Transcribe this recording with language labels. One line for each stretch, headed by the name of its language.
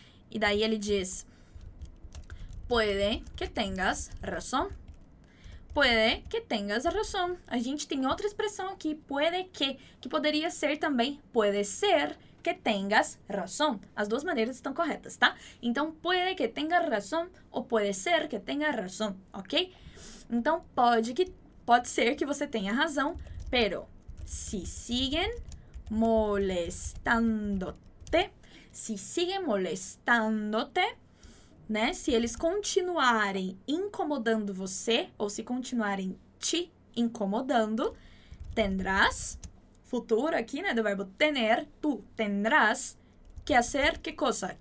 Portuguese: E daí ele diz,
Spanish: puede que tengas razón. Puede que tengas razón.
Portuguese: A gente tem outra expressão aqui,
Spanish: puede que
Portuguese: poderia ser também,
Spanish: puede ser que tengas razón.
Portuguese: As duas maneiras estão corretas, tá?
Spanish: Então, puede que tengas razón ou puede ser que tengas razón, ok?
Portuguese: Então, pode ser que você tenha razão,
Spanish: pero si siguen molestándote,
Portuguese: si siguen molestándote, né? Se eles continuarem incomodando você, ou se continuarem te incomodando, tendrás, futuro aqui, né? Do verbo
Spanish: tener, tu tendrás que hacer que cosa?